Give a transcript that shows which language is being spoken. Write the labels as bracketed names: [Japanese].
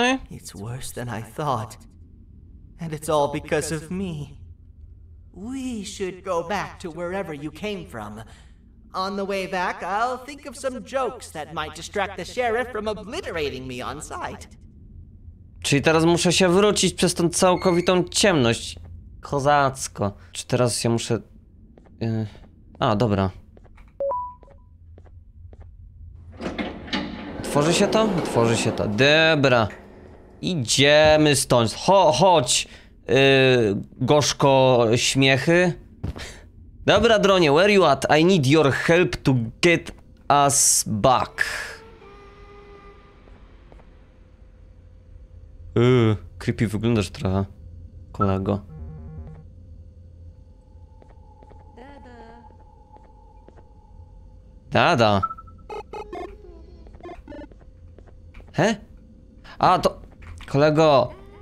[English] It's worse than I thought. And it's all because of me. We should go back to wherever you came from. On the way back, I'll think of some jokes that might distract the sheriff from obliterating me on sight. [Polish] Czyli teraz muszę się wrócić przez tą całkowitą ciemność. Kozacko. Czy teraz się muszę... A, dobra. Otworzy się to? Otworzy się to. Dobra. Idziemy stąd. Chodź. Gorzko śmiechy. Dobra, dronie, [English] where you at? I need your help to get us back. [Polish] Creepy wyglądasz trochę, kolego. Dada. He? A, to... Kolego!